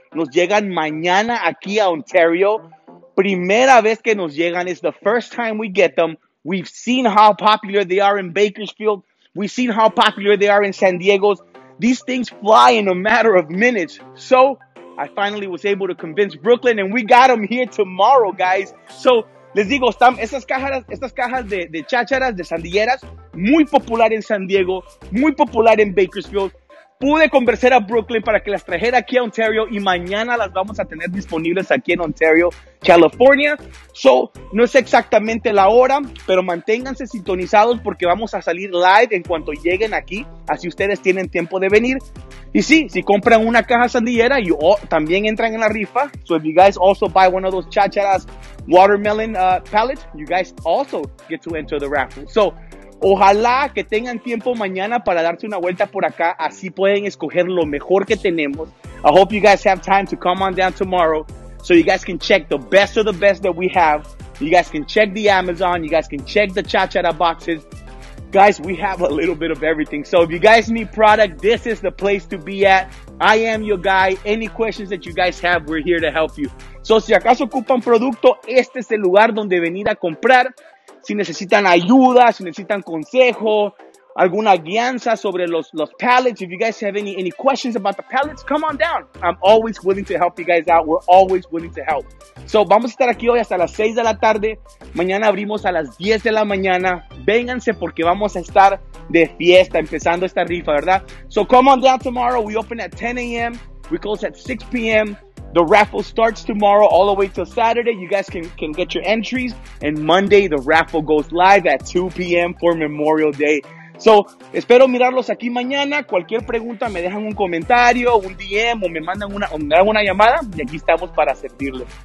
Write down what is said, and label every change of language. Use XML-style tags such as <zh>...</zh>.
<es>Nos llegan mañana aquí a Ontario. Primera vez que nos llegan.</es> <en>It's the first time we get them. We've seen how popular they are in Bakersfield. We've seen how popular they are in San Diego. These things fly in a matter of minutes. So I finally was able to convince Brooklyn and we got them here tomorrow, guys.</en> <es>So les digo, estas cajas de chácharas, de sandilleras, muy popular en San Diego, muy popular en Bakersfield. Pude convencer a Brooklyn para que las trajera aquí a Ontario y mañana las vamos a tener disponibles aquí en Ontario, California. So, no es exactamente la hora, pero manténganse sintonizados porque vamos a salir live en cuanto lleguen aquí. Así ustedes tienen tiempo de venir. Y sí, si compran una caja sandillera, también entran en la rifa.</es> <en>So, if you guys also buy one of those chacharas watermelon pallets, you guys also get to enter the raffle.</en> <es>So, ojalá que tengan tiempo mañana para darse una vuelta por acá. Así pueden escoger lo mejor que tenemos.</es> <en>I hope you guys have time to come on down tomorrow so you guys can check the best of the best that we have. You guys can check the Amazon. You guys can check the chachara boxes. Guys, we have a little bit of everything. So if you guys need product, this is the place to be at. I am your guy. Any questions that you guys have, we're here to help you.</en> <es>So si acaso ocupan producto, este es el lugar donde venir a comprar. Si necesitan ayuda, si necesitan consejo, alguna guianza sobre los pallets.</es> <en>If you guys have any questions about the pallets, come on down. I'm always willing to help you guys out. We're always willing to help.</en> <es>So, vamos a estar aquí hoy hasta las 6 de la tarde. Mañana abrimos a las 10 de la mañana. Vénganse porque vamos a estar de fiesta empezando esta rifa, ¿verdad?</es> <en>So, come on down tomorrow. We open at 10 a.m. We close at 6 p.m. The raffle starts tomorrow all the way till Saturday. You guys can get your entries. And Monday, the raffle goes live at 2 p.m. for Memorial Day.</en> <es>So, espero mirarlos aquí mañana. Cualquier pregunta, me dejan un comentario, un DM, o me mandan una, o me dan una llamada, y aquí estamos para servirles.</es>